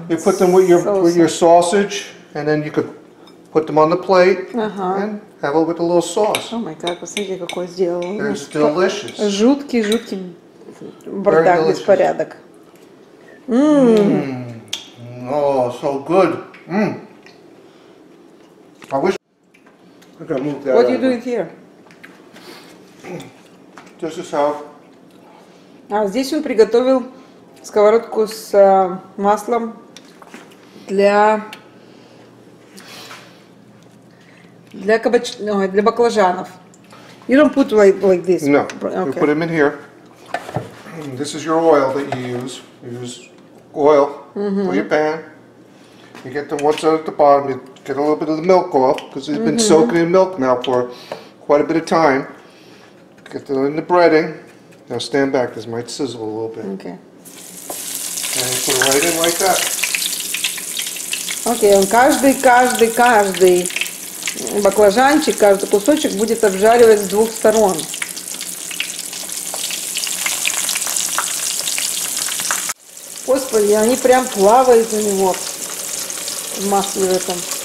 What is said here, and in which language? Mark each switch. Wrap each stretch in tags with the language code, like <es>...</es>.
<en>You put them with your sausage, and then you could put them on the plate and have it with a little sauce. Oh my God,</en> <ru>посмотрите, какой сделал.</ru> <en>It's delicious.</en> <ru>Жуткий, жуткий бардак, беспорядок.</ru> <en>Oh, so good. Mmm. I wish... I could move that What are you doing here? Just a half.</en> <ru>Здесь он приготовил сковородку с маслом для баклажанов.</ru> <en>You don't put like this. No. Okay. You put them in here. This is your oil that you use. You use oil mm-hmm. for your pan. You get the ones out at the bottom. You get a little bit of the milk off because it's mm-hmm. been soaking in milk now for quite a bit of time. get the, in the breading. Now stand back, this might sizzle a little bit. Okay. And put it right in like that. Okay, and</en> <ru>каждый баклажанчик, каждый кусочек будет обжаривать с двух сторон. Господи, они прям плавают у него в масле в этом.</ru>